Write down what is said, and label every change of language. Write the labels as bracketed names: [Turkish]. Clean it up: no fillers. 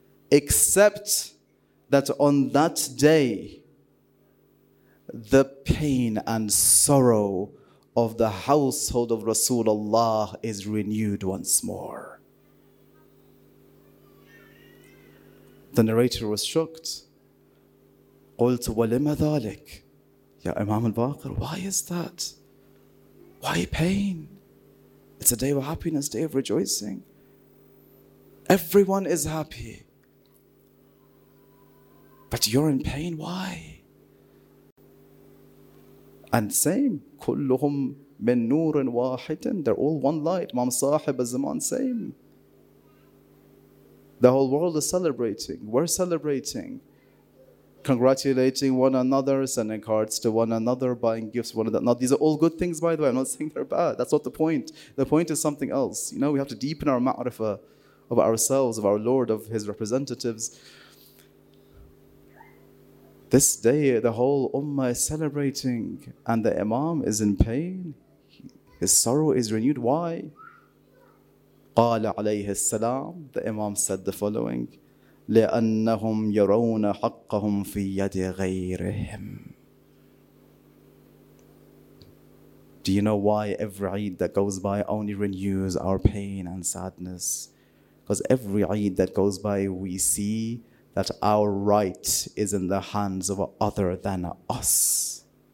[English] Except that on that day, the pain and sorrow of the household of Rasulullah is renewed once more. The narrator was shocked. [Arabic] قلت ولما ذلك يا إمام الباقر, [English] why is that? Why pain? It's a day of happiness, day of rejoicing. Everyone is happy. But you're in pain, why? And same, [Arabic] كلهم من نور واحد, [English] they're all one light. Imam Sahib al-Zaman, same. The whole world is celebrating, we're celebrating. Congratulating one another, sending cards to one another, buying gifts to one another. Now, these are all good things, by the way. I'm not saying they're bad. That's not the point. The point is something else. You know, we have to deepen our ma'rifah of ourselves, of our Lord, of His representatives. This day, the whole ummah is celebrating, and the imam is in pain. His sorrow is renewed. Why? [Arabic] قَالَ عَلَيْهِ السَّلَامُ, [English] the imam said the following, [Arabic] لأنهم يرون حقهم في يد غيرهم. [English] Do you know why every Eid that goes by only renews our pain and sadness? Because every Eid that goes by, we see that our right is in the hands of other than us.